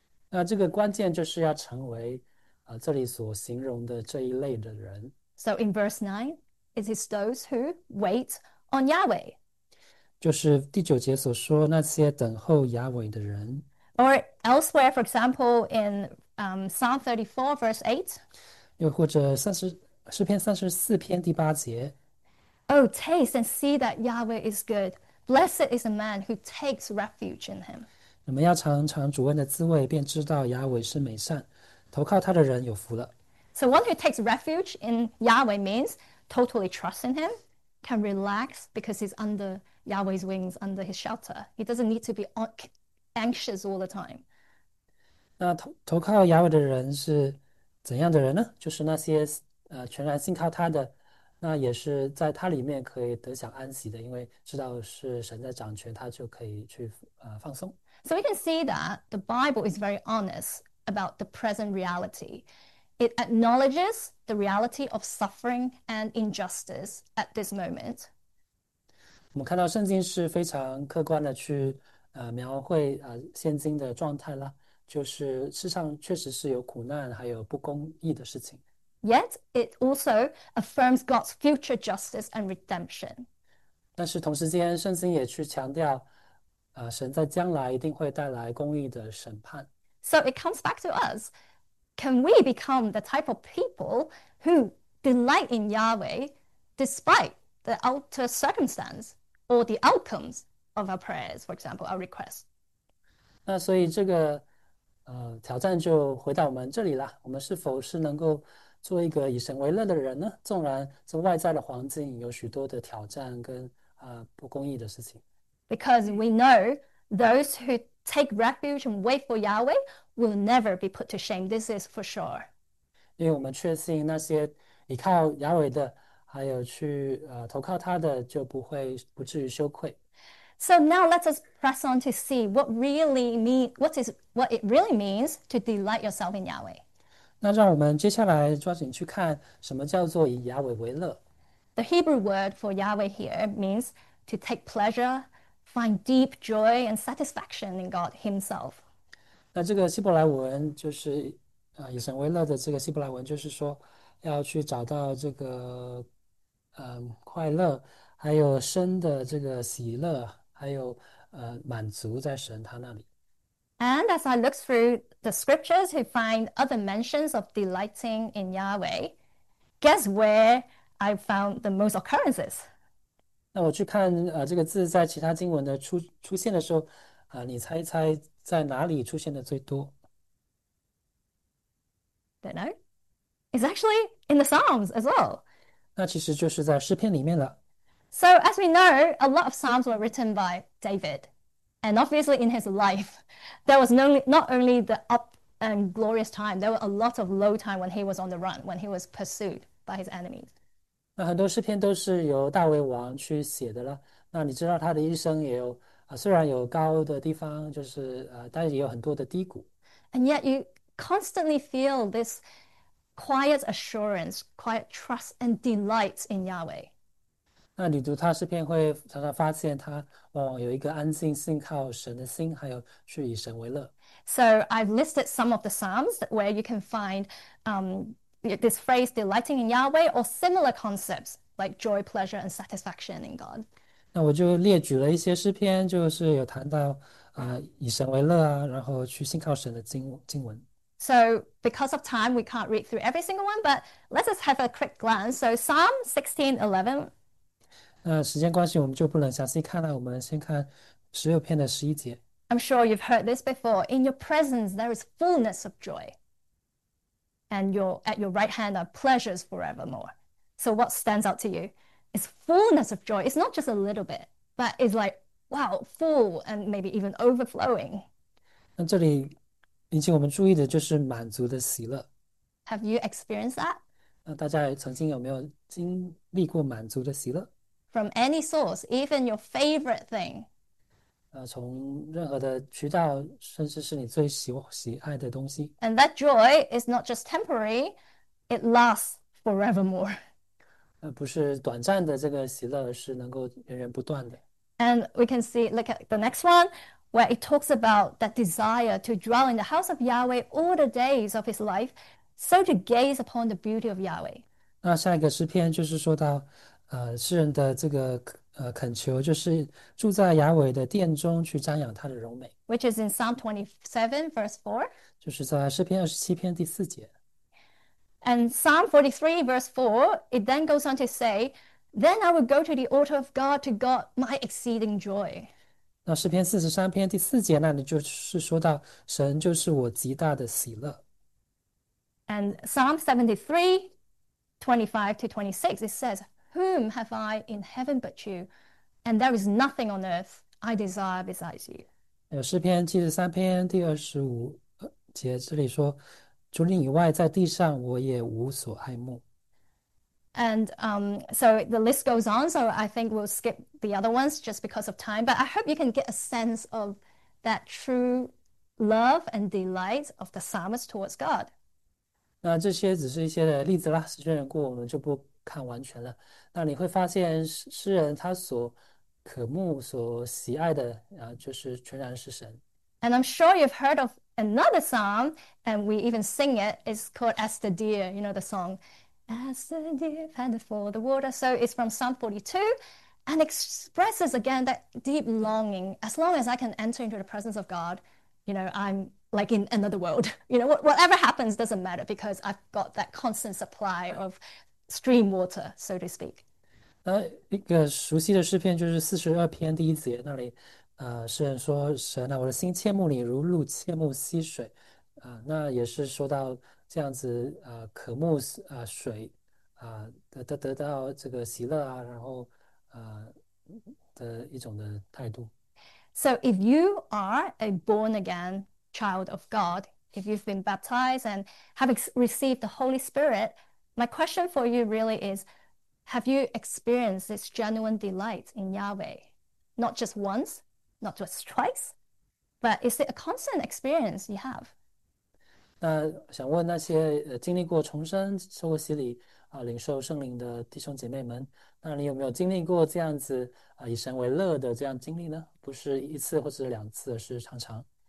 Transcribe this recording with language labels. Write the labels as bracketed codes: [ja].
[zh] 那这个关键就是要成为这里所形容的这一类的人。 [en] So in verse 9, it is those who wait on Yahweh. [zh] 就是第九节所说那些等候亚伟的人， [en] Or elsewhere, for example, in Psalm 34, verse 8. [zh] 又或者诗篇34篇第八节， [en] Oh, taste and see that Yahweh is good. Blessed is the man who takes refuge in him. [zh] 你们要尝尝主恩的滋味，便知道亚伟是美善，投靠他的人有福了。 [en] So, one who takes refuge in Yahweh means totally trust in him, can relax because he's under Yahweh's wings, under his shelter. He doesn't need to be anxious all the time. [zh] 那投靠亚伟的人是怎样的人呢？就是那些全然信靠他的，那也是在他里面可以得享安息的，因为知道是神在掌权，他就可以去放松。 [en] So, we can see that the Bible is very honest about the present reality. It acknowledges the reality of suffering and injustice at this moment. [zh] 我们看到圣经是非常客观的去描绘现今的状态了。就是世上确实是有苦难，还有不公义的事情。 [en] Yet, it also affirms God's future justice and redemption. [zh] 但是同时间，圣经也去强调，神在将来一定会带来公义的审判。 [en] So it comes back to us. Can we become the type of people who delight in Yahweh despite the outer circumstance or the outcomes of our prayers, for example, our requests? [zh] 那所以这个。挑战就回到我们这里了。我们是否是能够做一个以神为乐的人呢？纵然这外在的环境有许多的挑战跟不公义的事情。 [en] Because we know those who take refuge and wait for Yahweh will never be put to shame. This is for sure. [zh] 因为我们确信那些依靠亚伟的，还有去投靠他的，就不至于羞愧。 [en] So now let us press on to see what it really means to delight yourself in Yahweh. [zh] 那让我们接下来抓紧去看什么叫做以亚伟为乐。 [en] The Hebrew word for Yahweh here means to take pleasure, find deep joy and satisfaction in God Himself. [zh] 那这个希伯来文就是以神为乐的这个希伯来文，就是说要去找到这个快乐，还有生的这个喜乐，还有满足在神他那里。 [en] And as I look through the scriptures to find other mentions of delighting in Yahweh, guess where I found the most occurrences? [zh] 那我去看这个字在其他经文的出现的时候，你猜一猜在哪里出现的最多？ [en] Don't know. It's actually in the Psalms as well. [zh] 那其实就是在诗篇里面了。 [en] So, as we know, a lot of Psalms were written by David. And obviously, in his life, there was not only the up and glorious time, there were a lot of low time when he was on the run, when he was pursued by his enemies. [zh] 那很多诗篇都是由大卫王去写的了。那你知道他的一生也有虽然有高的地方，就是但是也有很多的低谷。 [en] And yet, you constantly feel this quiet assurance, quiet trust, and delight in Yahweh. [zh] 那你读他诗篇会常常发现他往往有一个安静信靠神的心，还有去以神为乐。 [en] So I've listed some of the Psalms where you can find this phrase, delighting in Yahweh, or similar concepts like joy, pleasure, and satisfaction in God. [zh] 那我就列举了一些诗篇，就是有谈到以神为乐啊，然后去信靠神的经文。 [en] So, because of time, we can't read through every single one, but let us have a quick glance. So, Psalm 16:11. [zh] 那时间关系，我们就不能详细看了。我们先看16篇的11节。 [en] I'm sure you've heard this before. In your presence, there is fullness of joy. And at your right hand are pleasures forevermore. So what stands out to you is fullness of joy. It's not just a little bit, but it's like, wow, full and maybe even overflowing. [zh] 那这里引起我们注意的就是满足的喜乐。 [en] Have you experienced that? [zh] 那大家曾经有没有经历过满足的喜乐？ [en] From any source, even your favorite thing. [zh] 从任何的渠道，甚至是你最喜爱的东西。 [en] And that joy is not just temporary, it lasts forevermore. [zh] 不是短暂的这个喜乐，是能够源源不断的。 [en] And we can see, look at the next one, where it talks about that desire to dwell in the house of Yahweh all the days of his life, so to gaze upon the beauty of Yahweh. [zh] 那下一个诗篇就是说到，诗人的这个恳求，就是住在雅伟的殿中，去瞻仰他的荣美， [en] Which is in Psalm 27, verse 4. [zh] 就是在诗篇27篇第4节。 [en] And Psalm 43, verse 4, it then goes on to say, Then I will go to the altar of God, to God, my exceeding joy. [zh] 那诗篇43篇第4节那里就是说到，神就是我极大的喜乐。 [en] And Psalm 73, 25 to 26, it says, Whom have I in heaven but you? And there is nothing on earth I desire besides you. [zh] 有诗篇73篇第25节，这里说：“除你以外，在地上我也无所爱慕。 [en] And so the list goes on. So I think we'll skip the other ones just because of time. But I hope you can get a sense of that true love and delight of the psalmist towards God. [zh] ”那这些只是一些的例子啦，时间缘故，我们就不看完全了。那你会发现，诗人他所渴慕所喜爱的，就是全然是神。 [en] And I'm sure you've heard of another psalm, and we even sing it. It's called As the Deer, you know, the song. As the deer panteth for the water. So it's from Psalm 42 and expresses again that deep longing. As long as I can enter into the presence of God, you know, I'm like in another world. You know, whatever happens doesn't matter because I've got that constant supply of stream water, so to speak. [zh] 一个熟悉的诗篇就是42篇第1节，那里，诗人说：“神啊，我的心切慕你，如鹿切慕溪水。 ”那也是说到这样子，渴慕水，得到这个喜乐啊，然后的一种的态度。 [en] So, if you are a born again child of God, if you've been baptized and have ex received the Holy Spirit, my question for you really is, have you experienced this genuine delight in Yahweh? Not just once, not just twice, but is it a constant experience you have? [zh] 那想问那些经历过重生、受过洗礼、领受圣灵的弟兄姐妹们，那你有没有经历过这样子以神为乐的这样经历呢？不是一次或者2次，而是常常。